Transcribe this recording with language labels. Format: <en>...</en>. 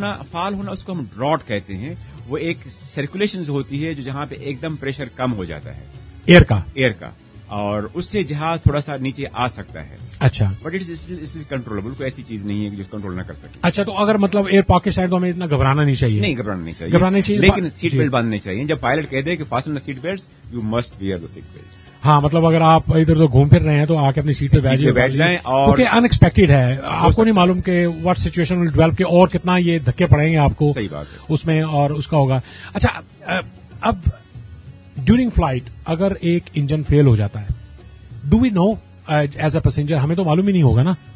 <ur>فال ہونا اس کو ہم ڈراٹ کہتے ہیں، وہ ایک سرکولیشن ہوتی ہے جو جہاں پہ ایک دم پریشر کم ہو جاتا ہے ایئر کا اور اس سے جہاز تھوڑا سا نیچے آ سکتا ہے. اچھا</ur> <en>but it's controllable,</en> <ur>کوئی ایسی چیز نہیں ہے کہ جس کنٹرول نہ کر سکے. اچھا تو اگر مطلب ایئر پاکٹ ہے تو ہمیں اتنا گھبرانا نہیں چاہیے؟ نہیں گھبرانا نہیں چاہیے، گھبرانا چاہیے لیکن سیٹ بیلٹ باندھنے چاہیے. جب پائلٹ کہہ دے کہ</ur> <en>Fasten the seat belts, you must wear the seat belts.</en> <ur>ہاں مطلب اگر آپ ادھر ادھر گھوم پھر رہے ہیں تو آ کے اپنی سیٹ پہ بیٹھ جائیں، اور ان ایکسپیکٹڈ ہے، آپ کو نہیں معلوم کہ</ur> <en>what situation will develop</en> <ur>کے اور کتنا یہ دھکے پڑیں گے آپ کو. صحیح بات اس میں اور اس کا ہوگا. اچھا اب ڈیورنگ فلائٹ اگر ایک انجن فیل ہو جاتا ہے،</ur> <en>Do we know is a passenger?</en> <ur>ہمیں تو معلوم ہی نہیں ہوگا نا.</ur>